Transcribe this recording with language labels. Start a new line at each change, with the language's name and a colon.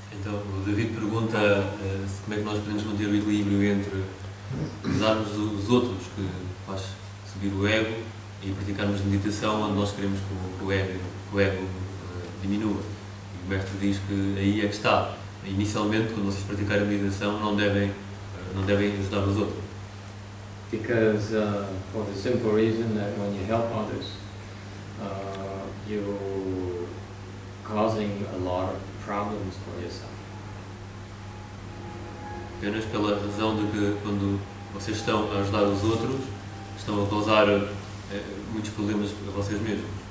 Portuguese: Então, o David pergunta como é que nós podemos manter o equilíbrio entre usarmos os outros, que faz subir o ego, e praticarmos meditação onde nós queremos que o ego diminua. E o mestre diz que aí é que está. Inicialmente, quando vocês praticarem meditação, não devem ajudar os outros.
English: Because for the simple reason that when you help others, you're causing a lot of problems for yourself.
Portuguese: Apenas pela razão de que quando vocês estão a ajudar os outros, estão a causar muitos problemas para vocês mesmos.